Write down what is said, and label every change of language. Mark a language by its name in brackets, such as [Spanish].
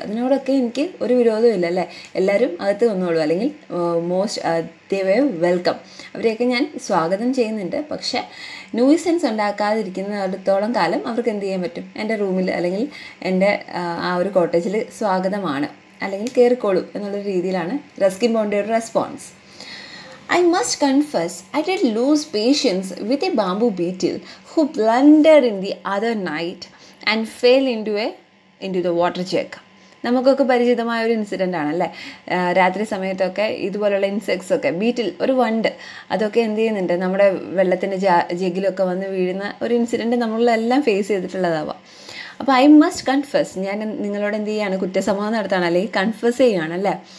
[Malayalam] അതിനോടൊക്കെ എനിക്ക് ഒരു വിരോധവും ഇല്ല അല്ലേ, എല്ലാവരും അകത്ത് വന്നോളൂ, അല്ലെങ്കിൽ [English] most ദേവേ welcome, [Malayalam] അവരെയൊക്കെ ഞാൻ സ്വാഗതം ചെയ്യുന്നുണ്ട്. പക്ഷെ ന്യൂസൻസ് ഉണ്ടാക്കാതിരിക്കുന്നിടത്തോളം കാലം അവർക്ക് എന്ത് ചെയ്യാൻ പറ്റും, എൻ്റെ റൂമിൽ അല്ലെങ്കിൽ എൻ്റെ ആ ഒരു കോട്ടേജിൽ സ്വാഗതമാണ് അല്ലെങ്കിൽ കയറിക്കോളൂ എന്നുള്ള രീതിയിലാണ് Ruskin ബോണ്ടിയുടെ response. [English] I must confess, I did lose patience with a bamboo beetle who blundered in the other night and fell into the water jug. [Malayalam] നമുക്കൊക്കെ പരിചിതമായ ഒരു ഇൻസിഡൻ്റ് ആണല്ലേ, രാത്രി സമയത്തൊക്കെ ഇതുപോലുള്ള ഇൻസെക്ട്സ് ഒക്കെ, ബീറ്റിൽ ഒരു വണ്ട് അതൊക്കെ എന്ത് ചെയ്യുന്നുണ്ട്, നമ്മുടെ വെള്ളത്തിൻ്റെ ജഗിലൊക്കെ വന്ന് വീഴുന്ന ഒരു ഇൻസിഡൻറ്റ് നമ്മളെല്ലാം ഫേസ് ചെയ്തിട്ടുള്ളതാവാം. അപ്പോൾ [English] I must confess, [Malayalam] ഞാൻ നിങ്ങളോട് എന്ത് ചെയ്യാണ്, കുറ്റസമ്മതം നടത്താണ് അല്ലെങ്കിൽ കൺഫെസ് ചെയ്യുകയാണ് അല്ലേ.